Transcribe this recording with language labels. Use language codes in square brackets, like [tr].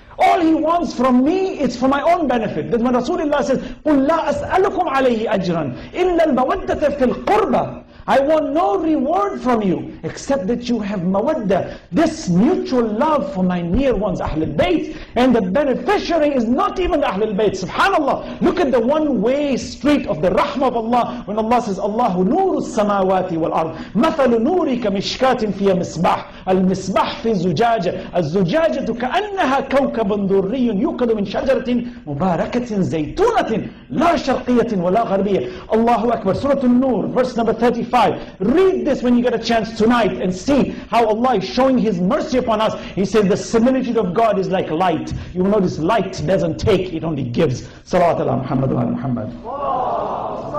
[en] All He wants from me is for my own benefit. That's when Rasulullah says, [ar] قُلْ لَا أَسْأَلُكُمْ عَلَيْهِ أَجْرًا إِلَّا الْمَوَدَّةَ فِي الْقُرْبَةِ [en] I want no reward from you, except that you have mawadda, this mutual love for my near ones, Ahlul Bayt. And the beneficiary is not even Ahlul Bayt. SubhanAllah, look at the one-way street of the rahmah of Allah, when Allah says, [ar] اللَّهُ نُورُ السَّمَاوَاتِ وَالْأَرْضِ مَثَلُ نُورِكَ مِشْكَاتٍ فِيَ مِسْبَحٍ المسبح في زجاجة الزجاجة كأنها كوكب دري يوقد من شجرة مباركة زيتونة لا شرقية ولا غربية. الله أكبر. [en] سورة النور verse number 35. Read this when you get a chance tonight and see how Allah is showing His mercy upon us. He says the similitude of God is like light. You will notice light doesn't take, it only gives. [ar] Salawat ala Muhammad wa ala Muhammad.